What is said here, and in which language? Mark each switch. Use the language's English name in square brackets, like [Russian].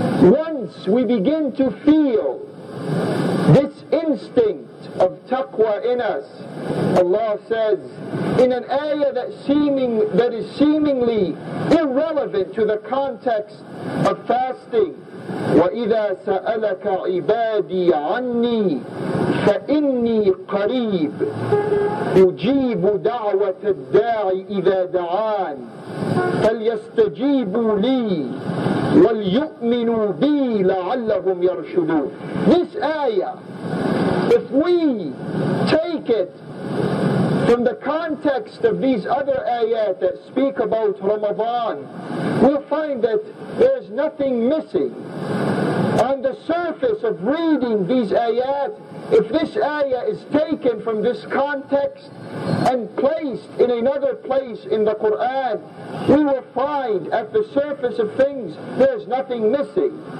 [English] Once we begin to feel this instinct of taqwa in us, Allah says in an ayah that is seemingly irrelevant to the context of fasting, [Arabic] وَإِذَا سَأَلَكَ عِبَادِي عَنِّي فإني قريب أجيب دعوة الداعي إذا دعان فليستجيبوا لي وليؤمنوا بي لعلهم يرشدون. [English] This ayah, if we take it from the context of these other ayat that speak about Ramadan, we'll find that there's nothing missing. On the surface of reading these ayat, if this ayah is taken from this context and placed in another place in the Quran, we will find at the surface of things there's nothing missing.